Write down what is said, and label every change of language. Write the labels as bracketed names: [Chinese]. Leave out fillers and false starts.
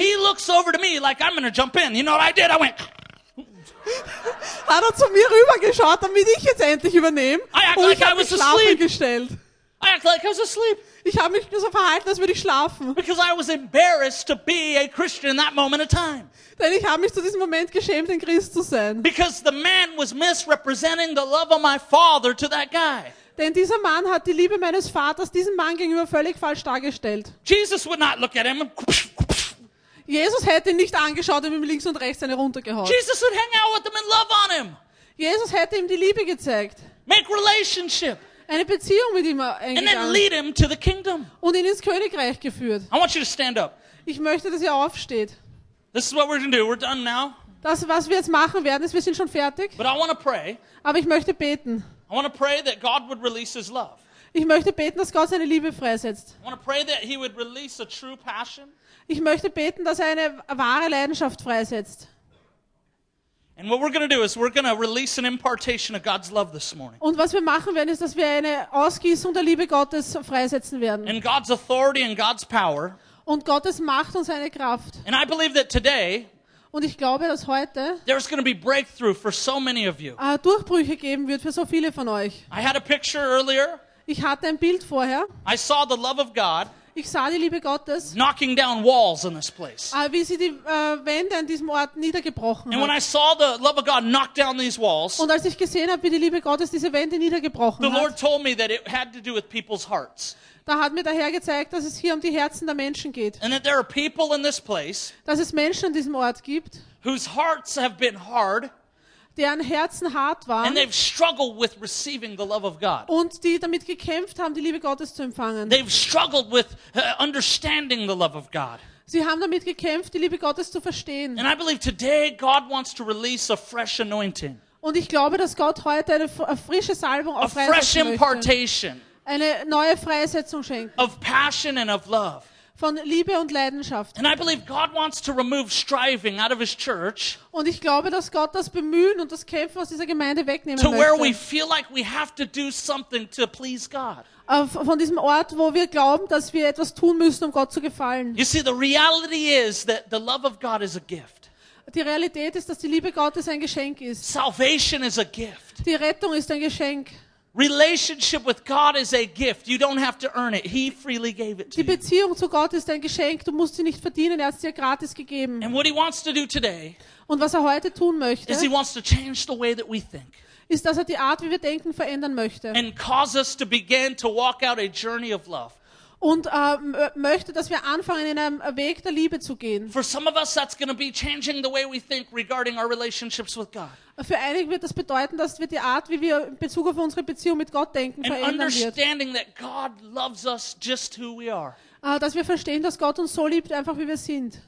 [English] he looks over to me like I'm gonna jump in. You know what I did? I went. [German] Hat er zu mir rübergeschaut, damit ich jetzt endlich übernehme? [English] I act like I was asleep. [German] Gestellt. [English] I act like I was asleep. [German] Ich habe mich so verhalten, als würde ich schlafen. [English] Because I was embarrassed to be a Christian in that moment of time. [German] Denn ich habe mich zu diesem Moment geschämt, ein Christ zu sein. [English] Because the man was misrepresenting the love of my father to that guy. [German] Denn dieser Mann hat die Liebe meines Vaters diesem Mann gegenüber völlig falsch dargestellt. [English] Jesus would not look at him. [German] Jesus hätte ihn nicht angeschaut und ihm links und rechts eine runtergehauen. [English] Jesus would hang out with him and love on him. [German] Jesus hätte ihm die Liebe gezeigt. [English] Make relationship. [German] Eine Beziehung mit ihm eingegangen. [English] And then lead him to the kingdom. [German] Und ihn ins Königreich geführt. [English] I want you to stand up. [German] Ich möchte, dass ihr aufsteht. [English] This is what we're going to do. We're done now. [German] Das, was wir jetzt machen werden, ist, wir sind schon fertig. [English] But I want to pray. [German] Aber ich möchte beten. [English] I want to pray that God would release his love. [German] Ich möchte beten, dass Gott seine Liebe freisetzt. [English] I want to pray that he would release a true passion. [German] Ich möchte beten, dass eine wahre Leidenschaft freisetzt. [English] And what we're going to do is we're going to release an impartation of God's love this morning. [German] Und was wir machen werden, ist, dass wir eine Ausgießung der Liebe Gottes freisetzen werden. [English] And God's authority and God's power. [German] Und Gottes Macht und seine Kraft. [English] And I believe that today, [German] und ich glaube, dass heute [English] there's going to be breakthrough for so many of you. [German] Durchbrüche geben wird für so viele von euch. [English] I had a picture earlier. [German] Ich hatte ein Bild vorher. [English] I saw the love of God. [German] Ich sah die Liebe Gottes. [English] Knocking down walls in this place. [German] Wie sie die Wände an diesem Ort niedergebrochen [English] and And when I saw the love of God knock down these walls. [German] Und als ich gesehen habe, wie die Liebe Gottes diese Wände niedergebrochen [English] the [German] hat. [English] The Lord told me that it had to do with people's hearts. [German] Da hat mir der Herr gezeigt, dass es hier um die Herzen der Menschen geht. [English] And that there are people in this place, [German] dass es Menschen an diesem Ort gibt, [English] whose hearts have been hard, [German] deren Herzen hart waren, [English] and they've struggled with receiving the love of God. [German] Und die damit gekämpft haben, die Liebe Gottes zu empfangen. [English] They've struggled with understanding the love of God. [German] Sie haben damit gekämpft, die Liebe Gottes zu verstehen. [English] And I believe today God wants to release a fresh anointing. [German] Und ich glaube, dass Gott heute eine frische Salbung auf freisetzen möchte. [English] A fresh impartation. [German] Eine neue Freisetzung schenken. [English] Of passion and of love. [German] Von Liebe und Leidenschaft. [English] And I believe God wants to remove striving out of his church. [German] Und ich glaube, dass Gott das Bemühen und das Kämpfen aus dieser Gemeinde wegnehmen [English] to [German] möchte. [English] Where we feel like we have to do something to please God. [German] Von diesem Ort, wo wir glauben, dass wir etwas tun müssen, um Gott zu gefallen. [English] You see, the reality is that the love of God is a gift. [German] Die Realität ist, dass die Liebe Gottes ein Geschenk ist. [English] Salvation is a gift. [German] Die Rettung ist ein Geschenk. [English] Relationship with God is a gift. You don't have to earn it. He freely gave it to you. [German] Die Beziehung zu Gott ist ein Geschenk. Du musst sie nicht verdienen. Er hat sie gratis gegeben. [English] And what he wants to do today, [German] und was er heute tun möchte, [English] is he wants to change the way that we think. [German] Ist, dass er die Art, wie wir denken, verändern möchte. [English] And cause us to begin to walk out a journey of love. [German] Und möchte, dass wir anfangen, in einem Weg der Liebe zu gehen. [English] For some of us, that's going to be changing the way we think regarding our relationships with God. [German] Für einige wird das bedeuten, dass wir die Art, wie wir in Bezug auf unsere Beziehung mit Gott denken, [English] and [German] verändern wird. [English] Understanding that God loves us just who we are. [German] Dass wir verstehen, dass Gott uns so liebt, einfach wie wir sind.